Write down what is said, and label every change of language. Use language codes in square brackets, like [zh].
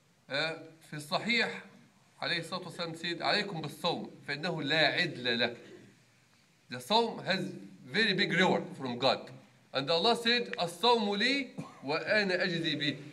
[ar] في الصحيح عليه الصلاة والسلام said عليكم بالصوم فإنه لا عدل له. [en] The صوم has very big reward from God. And Allah said [ar] الصوم لي وأنا أجزي به.